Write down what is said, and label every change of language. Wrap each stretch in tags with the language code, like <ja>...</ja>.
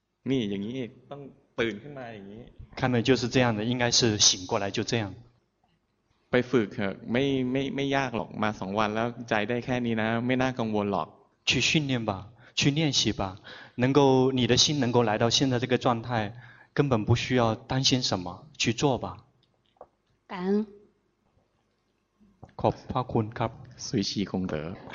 <th>นี่อย่างนี้ต้องตื่นขึ้นมาอย่างนี้</th> <zh>看来就是这样的应该是醒过来就这样</zh> <th>ไปฝึกเถอะไม่ยากหรอกมา2วันแล้วใจได้แค่นี้นะไม่น่ากังวลหรอก</th> <zh>去训练吧去练习吧能够你的心能够来到现在这个状态根本不需要担心什么去做吧感恩</zh> <th>ขอบพระคุณครับ สุยชีคงเถอะ</th>